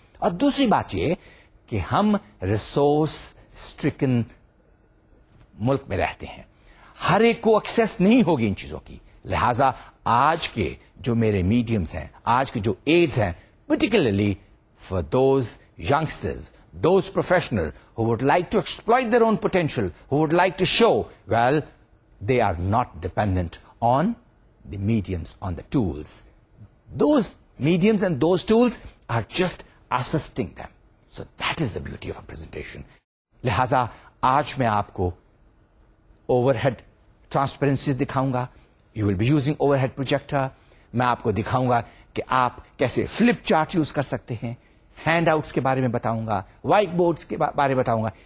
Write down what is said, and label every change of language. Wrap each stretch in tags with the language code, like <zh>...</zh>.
<ur>اور دوسری بات یہ کہ ہم ریسورس اسٹرکن ملک میں رہتے ہیں, ہر ایک کو ایکسیس نہیں ہوگی ان چیزوں کی, لہذا آج کے جو میرے میڈیمز ہیں, آج کے جو ایڈز ہیں,</ur> <en>Particularly for those youngsters, those professional who would like to exploit their own potential, who would like to show, well they are not dependent on the mediums, on the tools. Those mediums and those tools are just assisting them. So that is the beauty of a presentation.</en> <ur>لہذا آج میں آپ کو over head transparencies دکھاؤں گا,</ur> <en>You will be using overhead projector.</en> <ur>میں آپ کو دکھاؤں گا کہ آپ کیسے فلپ چارٹ یوز کر سکتے ہیں, ہینڈ آؤٹس کے بارے میں بتاؤں گا, وائٹ بورڈس کے بارے میں بتاؤں گا.</ur>